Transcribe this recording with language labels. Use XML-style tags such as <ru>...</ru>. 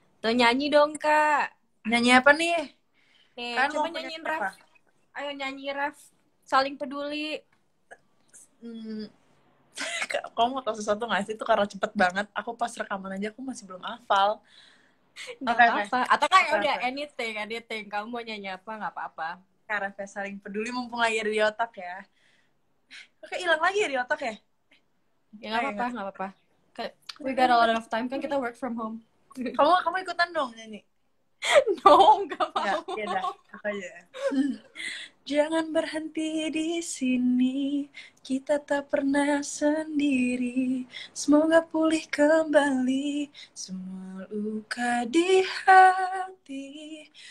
<id>nyanyi dong, Kak. Nyanyi apa nih? Nih, kan coba nyanyiin ref. Ayo nyanyi ref. Saling peduli. Kamu mau tahu sesuatu gak sih? Itu karena cepet banget. Aku pas rekaman aja, aku masih belum hafal.</id> <en>Okay.</en> <id>Atau kayak udah anything. Kamu mau nyanyi apa, gak apa-apa. Karena saya saling peduli, mumpung lagi di otak ya. Oke, hilang lagi ya di otak ya? Ya nggak apa-apa, nggak apa-apa.</id> <en>We got a lot of time,</en> <id>kan kita</id> <en>work from home.</en> <id>Kamu kamu ikutan dong nyanyi. No, nggak mau. Ya, ya dah. Apa ya? Jangan berhenti di sini, kita tak pernah sendiri. Semoga pulih kembali semua luka di hati.</id>